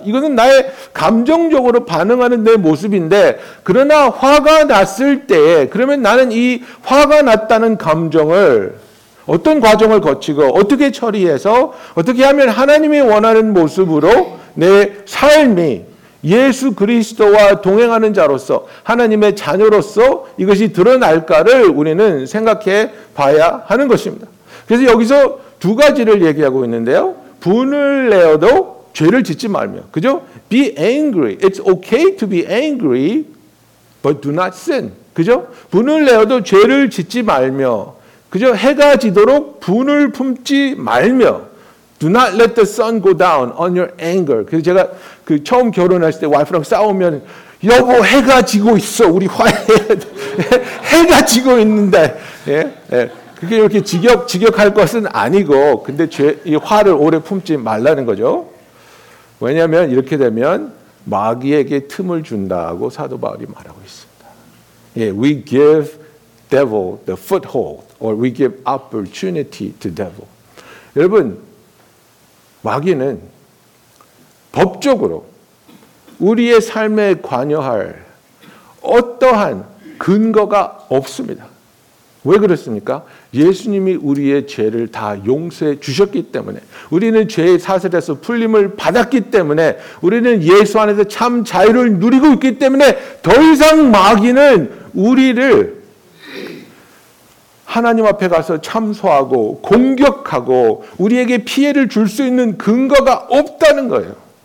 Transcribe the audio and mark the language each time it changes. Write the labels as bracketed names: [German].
[Korean] 이것은 나의 감정적으로 반응하는 내 모습인데, 그러나 화가 났을 때에 그러면 나는 이 화가 났다는 감정을 어떤 과정을 거치고 어떻게 처리해서 어떻게 하면 하나님이 원하는 모습으로 내 삶이 예수 그리스도와 동행하는 자로서, 하나님의 자녀로서 이것이 드러날까를 우리는 생각해 봐야 하는 것입니다. 그래서 여기서 두 가지를 얘기하고 있는데요. 분을 내어도 죄를 짓지 말며. 그죠? [English] Be angry. It's okay to be angry, but do not sin. [Korean] 그죠? 분을 내어도 죄를 짓지 말며. 그죠? 해가 지도록 분을 품지 말며. [English] Do not let the sun go down on your anger. [Korean] 그래서 제가 그 처음 결혼했을 때 와이프랑 싸우면, 여보, 해가 지고 있어. 우리 화해. 해가 지고 있는데. 예? 예. 그게 이렇게 직역할 것은 아니고, 근데 죄, 이 화를 오래 품지 말라는 거죠. 왜냐하면 이렇게 되면 마귀에게 틈을 준다고 사도 바울이 말하고 있습니다. [English] 예, we give devil the foothold, or we give opportunity to devil. [Korean] 여러분, 마귀는 법적으로 우리의 삶에 관여할 어떠한 근거가 없습니다. 왜 그렇습니까? 예수님이 우리의 죄를 다 용서해 주셨기 때문에, 우리는 죄의 사슬에서 풀림을 받았기 때문에, 우리는 예수 안에서 참 자유를 누리고 있기 때문에 더 이상 마귀는 우리를 하나님 앞에 가서 참소하고 공격하고 우리에게 피해를 줄 수 있는 근거가 없다는 거예요.